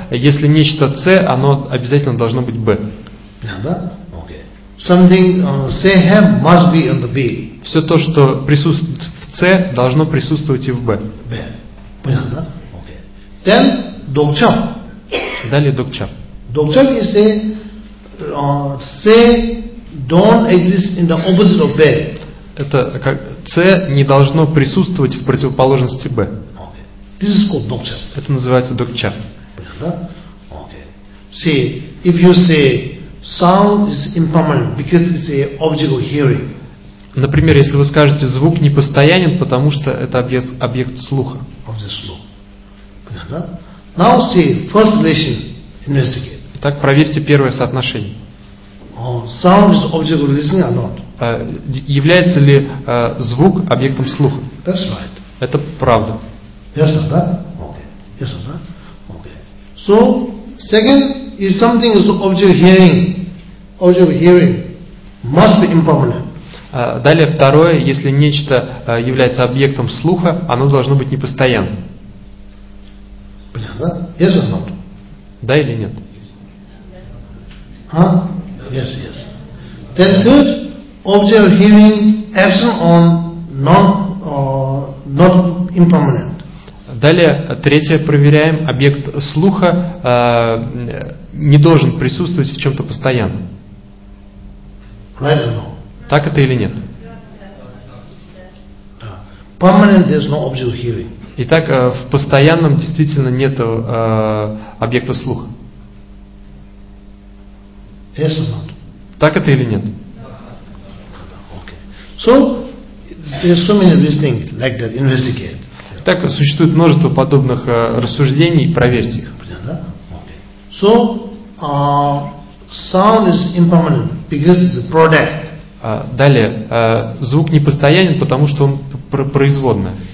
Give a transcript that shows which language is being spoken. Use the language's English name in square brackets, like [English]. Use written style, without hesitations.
[Russian] Если нечто C, оно обязательно должно быть B. Да? [English] Okay. Something C have must be on the B. [Russian] Все то, что присутствует в C, должно присутствовать и в B. B. Понятно, да? [English] Okay. Then Dokchap. [Russian] Далее Dokchap. [English] Dokchap is a C don't exist in the opposite of B. [Russian] Это как С не должно присутствовать в противоположности Б. [English] Okay. This is called докча. [Russian] Это называется докча. Понятно? [English] Okay. See, if you say sound is impermanent because it's a object of hearing. [Russian] Например, если вы скажете звук непостоянен, потому что это объект слуха. [English] Object of hearing. [Russian] Понятно? [English] Now see, first relation, investigate. [Russian] Итак, проверьте первое соотношение. [English] Sound is object of listening or not? [Russian] Является ли звук объектом слуха? [English] That's right. [Russian] Это правда. [English] Yes, [Russian] да? [English] Okay. Yes, да? Okay. So, second, if something is object of hearing must be impermanent. [Russian] Далее второе, если нечто является объектом слуха, оно должно быть непостоянным. Понятно, да? [English] Yes or not? [Russian] Да или нет? [English] А? Yes, yes. Then third, object of hearing absent on not impermanent. [Russian] Далее третье проверяем объект слуха не должен присутствовать в чем-то постоянном. [English] Right or no? [Russian] Так это или нет? [English] Permanent there's no object of hearing. [Russian] Итак, в постоянном действительно нет объекта слуха. [English] Yes or not? [Russian] Так это или нет? [English] So there's so many reasoning like that. Investigate. [Russian] Так существует множество подобных рассуждений. Проверьте их. Понятно? [English] Okay. So sound is impermanent because it's a product. [Russian] Далее звук непостоянен, потому что он производное.